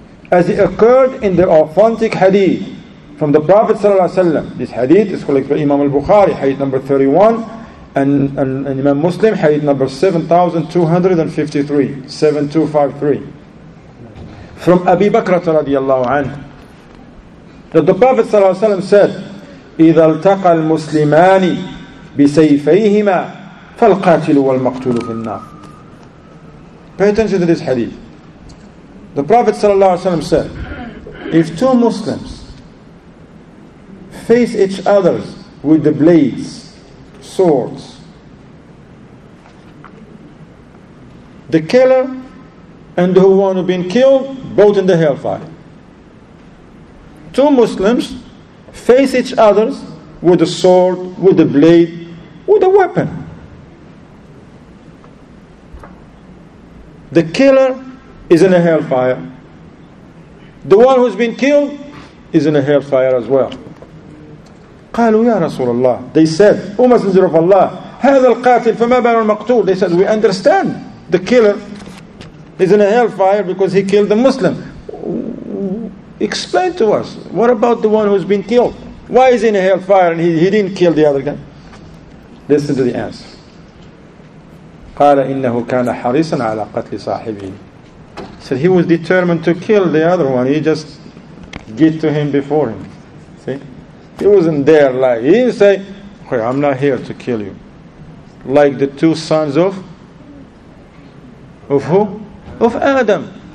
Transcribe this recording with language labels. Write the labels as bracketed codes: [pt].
[en] As it occurred in the authentic hadith from the Prophet ﷺ. This hadith is collected by Imam al-Bukhari, hadith number 31, and Imam Muslim, hadith number 7253. From Abi Bakrata radiallahu anhu. That the Prophet ﷺ said, [ar] إذا التقى المسلمان بسيفيهما فالقاتل والمقتول في النار. [en] Pay attention to this hadith. The Prophet ﷺ said, if two Muslims face each other with the blades, swords, the killer and the one who been killed, both in the hellfire. Two Muslims face each other with a sword, with a blade, with a weapon. The killer is in a hellfire. The one who's been killed is in a hellfire as well. [ar] قالوا يا رسول الله. [en] They said, O Messenger of Allah, [ar] هذا القاتل فما بال المقتول. [en] They said, we understand the killer is in a hellfire because he killed the Muslim. Explain to us, what about the one who's been killed? Why is he in a hellfire and he didn't kill the other guy? Listen to the answer. [ar] قال إنه كان حريصا على قتل صاحبه. [en] Said he was determined to kill the other one. He just get to him before him. See? He wasn't there like, he didn't say, okay, I'm not here to kill you. Like the two sons of who? Of Adam.